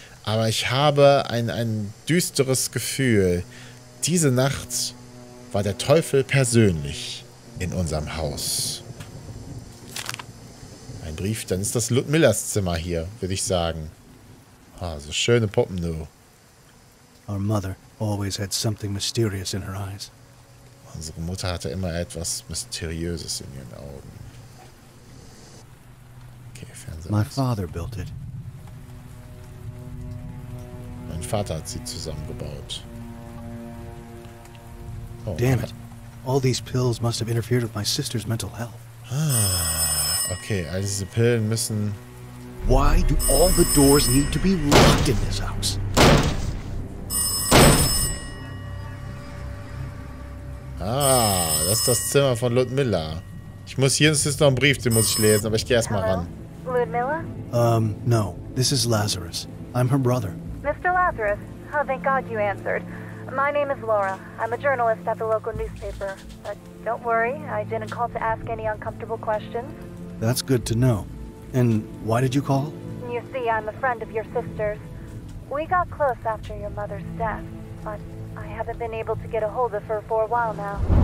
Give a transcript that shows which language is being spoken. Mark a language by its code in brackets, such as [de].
[de] Aber ich habe ein düsteres Gefühl. Diese Nacht war der Teufel persönlich in unserem Haus. Ein Brief, dann ist das Ludmillas Zimmer hier, würde ich sagen. Oh, so schöne Puppen, du. [en] Our mother always had something mysterious in her eyes. [de] Unsere Mutter hatte immer etwas Mysteriöses in ihren Augen. Okay, Fernseher. [en] My father built it. [de] Mein Vater hat sie zusammengebaut. [en] Oh, damn it. All these pills must have interfered with my sister's mental health. [de] Okay, all diese Pillen müssen... [en] Why do all the doors need to be locked in this house? [de] Ah, das ist das Zimmer von Ludmilla. Ich muss hier, es ist noch ein Brief, den muss ich lesen, aber ich gehe erstmal ran. Ludmilla? [en] No. This is Lazarus. I'm her brother. Mr. Lazarus, oh, thank God you answered. My name is Laura. I'm a journalist at the local newspaper. But don't worry, I didn't call to ask any uncomfortable questions. That's good to know. And why did you call? You see, I'm a friend of your sister's. We got close after your mother's death, but I haven't been able to get a hold of her for a while now.